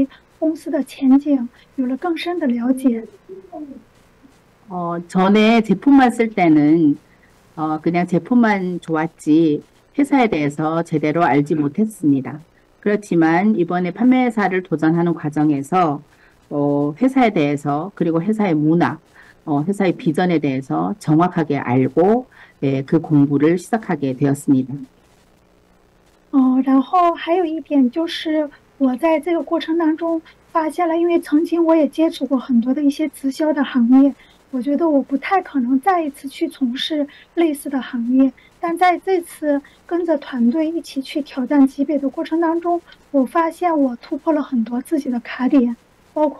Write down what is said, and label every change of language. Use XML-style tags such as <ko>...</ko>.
<zh>那在这次挑战营销经理的过程当中呢，我之前是因为一直是消费者，没有把它当事业来去了解。那在这次挑战的过程当中，为了达成目标，那我也是真正的开始了爱多美的一个学习，对公司、对我们的经营理念以及公司的前景有了更深的了解。</zh> <ko>전에 제품만 쓸 때는 그냥 제품만 좋았지 회사에 대해서 제대로 알지 못했습니다. 그렇지만 이번에 판매사를 도전하는 과정에서 회사에 대해서 그리고 회사의 문화, 회사의 비전에 대해서 정확하게 알고 그 공부를 시작하게 되었습니다.</ko> <zh>然后还有一点就是我在这个过程当中发现了，因为曾经我也接触过很多的一些直销的行业。我觉得我不太可能再一次去从事类似的行业，但在这次跟着团队一起去挑战级别的过程当中，我发现我突破了很多自己的卡点，包括我的团队的能力，还有我自己的能力。</zh>